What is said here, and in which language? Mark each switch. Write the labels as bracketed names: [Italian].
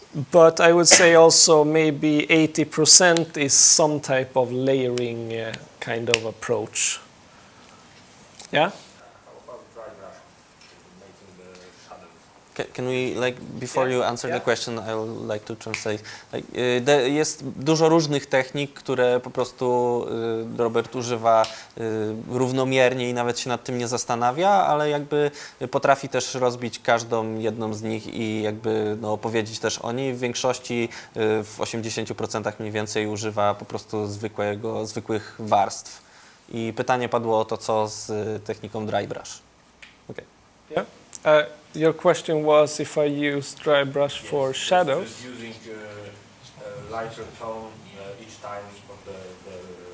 [English] But I would say also maybe 80% is some type of layering kind of approach. Yeah? Can we, like, before you answer the question, I would like to translate. [Polish] Jest dużo różnych technik, które po prostu Robert używa równomiernie i nawet się nad tym nie zastanawia, ale jakby potrafi też rozbić każdą jedną z nich i jakby no, opowiedzieć też o niej. W większości, w 80% mniej więcej, używa po prostu zwykłych warstw. I pytanie padło o to, co z techniką dry brush. [English] Okay. Yeah. Your question was if I use dry brush for shadows. Yes, using a lighter tone each time on the paint.